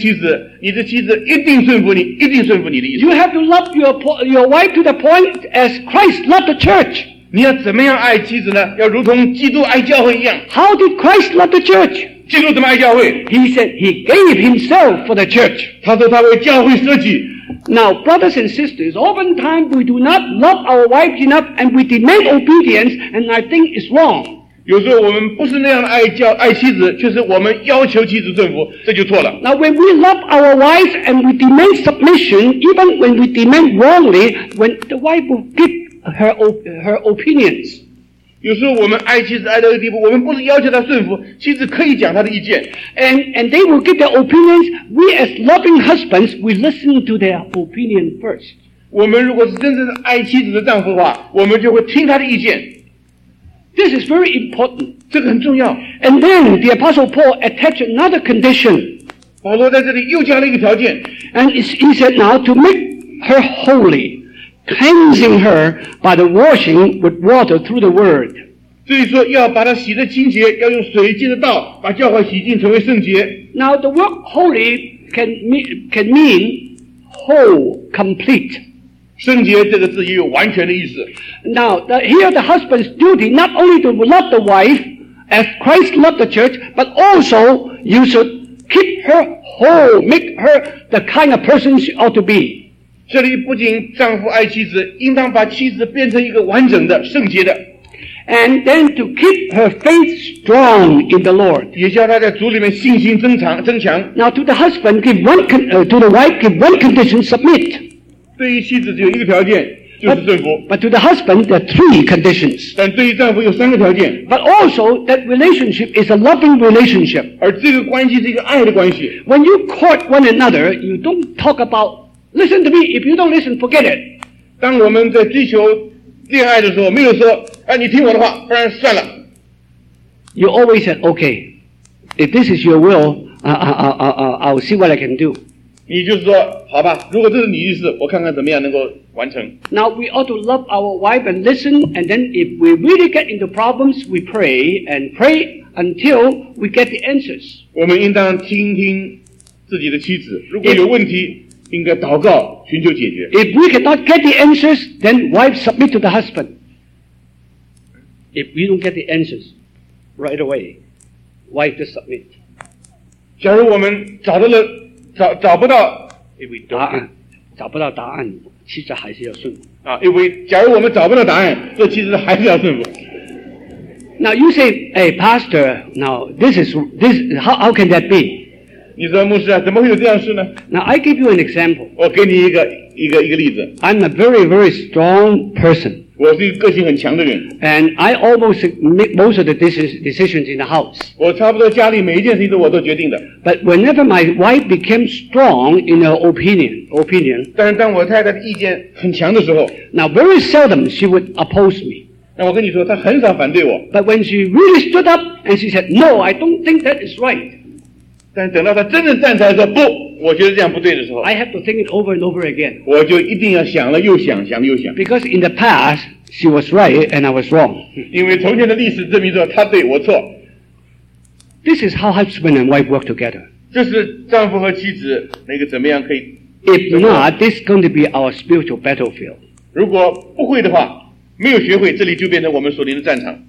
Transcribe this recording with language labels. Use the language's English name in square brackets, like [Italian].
[Chinese] 弟兄们,如果你真正爱你的妻子,你的妻子一定顺服你,一定顺服你的意思。 [English] You have to love your wife to the point as Christ loved the church. [Chinese] 你要怎么样爱妻子呢？要如同基督爱教会一样。 [English] How did Christ love the church? [Chinese] 基督怎么爱教会？ [English] He said he gave himself for the church. [Chinese] 他说他为教会舍己。 [English] Now, brothers and sisters, oftentimes we do not love our wives enough and we demand obedience, and I think it's wrong. [Chinese] 有时候我们不是那样的爱妻子，却是我们要求妻子顺服，这就错了。 [English] Now, when we love our wives and we demand submission, even when we demand wrongly, when the wife will give her opinions. [Chinese] 有时候我们爱妻子爱到一个地步，我们不是要求她顺服，妻子可以讲她的意见。 [English] And they will give their opinions. We as loving husbands, we listen to their opinion first. [Chinese] 我们如果是真正的爱妻子的丈夫的话，我们就会听她的意见。 [English] This is very important. [Chinese] 这个很重要。 [English] And then the Apostle Paul attached another condition. [Chinese] 保罗在这里又加了一个条件。 [English] And he said now to make her holy. Cleansing her by the washing with water through the word. [Chinese] 所以说要把她洗得清洁，要用水浸的道把教会洗净，成为圣洁。 [English] Now the word holy can mean whole, complete. [Chinese] 圣洁这个字也有完全的意思。 [English] Now here the husband's duty not only to love the wife as Christ loved the church, but also you should keep her whole, make her the kind of person she ought to be. [Chinese] 这里不仅丈夫爱妻子，应当把妻子变成一个完整的、圣洁的。 [English] And then to keep her faith strong in the Lord. [Chinese] 也叫她在主里面信心增强。 [English] Now to the husband, to the wife, give one condition, submit. [Chinese] 对于妻子只有一个条件，就是顺服。 [English] But to the husband, there are three conditions. [Chinese] 但对于丈夫有三个条件。 [English] But also, that relationship is a loving relationship. [Chinese] 而这个关系是一个爱的关系。 [English] When you court one another, you don't talk aboutListen to me, if you don't listen, forget it. [Chinese] 当我们在追求恋爱的时候，没有说，哎，你听我的话，不然算了。 [English] You always said, okay, if this is your will, I'll see what I can do. [Chinese] 你就是说，好吧，如果这是你意思，我看看怎么样能够完成。 [English] Now, we ought to love our wife and listen, and then if we really get into problems, we pray, and pray until we get the answers. [Chinese] 我们应当倾听自己的妻子，如果有问题应该祷告寻求解决。 [English] If we cannot get the answers, then wife submit to the husband. If we don't get the answers right away, wife just submit. [Chinese] 假如我们找不到 [English] if we don't [Chinese] 答案，找不到答案，妻子还是要顺服。假如我们找不到答案，这妻子还是要顺服。 [English] Now you say, hey, pastor, now how can that be? [Chinese] 你说牧师啊，怎么会有这样事呢？ [English] Now I give you an example. [Chinese] 我给你一个例子。 [English] I'm a very very strong person. [Chinese] 我是一个个性很强的人。 [English] And I almost make most of the decisions in the house. [Chinese] 我差不多家里每一件事情都我都决定的。 [English] But whenever my wife became strong in her opinion. [Chinese] 但是当我太太的意见很强的时候。 [English] Now very seldom she would oppose me. [Chinese] 那我跟你说，她很少反对我。 [English] But when she really stood up and she said, No, I don't think that is right. [Chinese] 但等到他真正站出来说不，我觉得这样不对的时候 [English] ，I have to think it over and over again。 [Chinese] 我就一定要想了又想，想了又想。 [English] Because in the past she was right and I was wrong。 [Chinese] 因为从前的历史证明说他对我错。 [English] This is how husband and wife work together。 [Chinese] 这是丈夫和妻子那个怎么样可以 [English] ？If not, this is going to be our spiritual battlefield。 [Chinese] 如果不会的话，没有学会，这里就变成我们属灵的战场。